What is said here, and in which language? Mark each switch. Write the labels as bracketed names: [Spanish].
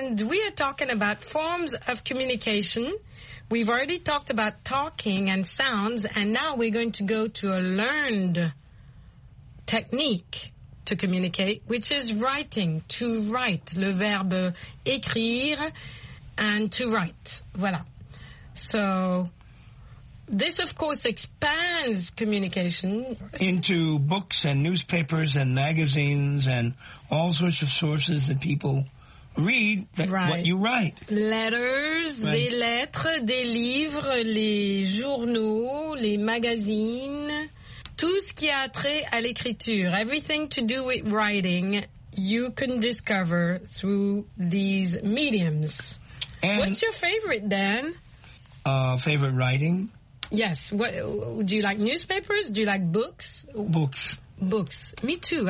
[English] And we are talking about forms of communication. We've already talked about talking and sounds, and now we're going to go to a learned technique to communicate, which is writing, to write, [French] le verbe écrire, [English] and to write. Voilà. So this, of course, expands communication into books and newspapers and magazines and all sorts of sources that people read what you write. Letters, right. [French] Des lettres, des livres, les journaux, les magazines. Tout ce qui a trait à l'écriture. [English] Everything to do with writing, you can discover through these mediums. And what's your favorite, Dan? Favorite writing? Yes. What, do you like newspapers? Do you like books? Books. Books. Me too.